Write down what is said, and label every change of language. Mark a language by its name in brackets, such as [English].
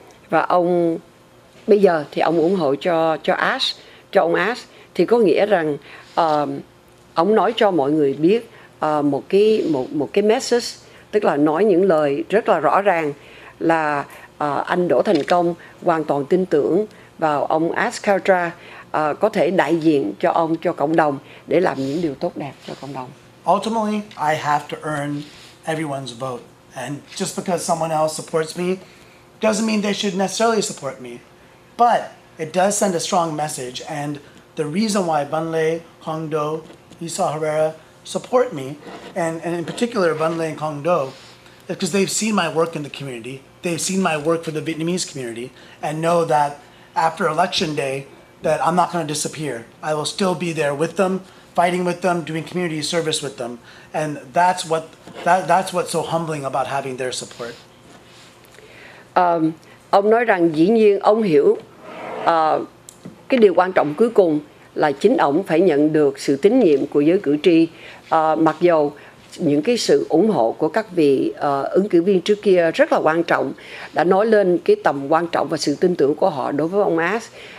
[Vietnamese] và ông bây giờ thì ông ủng hộ cho ông Ash thì có nghĩa rằng ông nói cho mọi người biết một cái message, tức là nói những lời rất là rõ ràng là anh Đỗ Thành Công hoàn toàn tin tưởng vào ông Ash Kaltra có thể đại diện cho ông, cho cộng đồng, để làm những điều tốt đẹp cho cộng đồng. [English] Ultimately, I have to earn everyone's vote. And just because someone else supports me doesn't mean they should necessarily support me. But it does send a strong message. And the reason why Van Le, Hong Do, Isa Herrera support me, and in particular Van Le and Hong Do, is because they've seen my work in the community. They've seen my work for the Vietnamese community and know that after Election Day, that I'm not going to disappear. I will still be there with them, fighting with them, doing community service with them. And that's what's so humbling about having their support. [Vietnamese] Ông nói rằng dĩ nhiên ông hiểu cái điều quan trọng cuối cùng là chính ông phải nhận được sự tín nhiệm của giới cử tri, mặc dù những cái sự ủng hộ của các vị ứng cử viên trước kia rất là quan trọng, đã nói lên cái tầm quan trọng và sự tin tưởng của họ đối với ông Ash.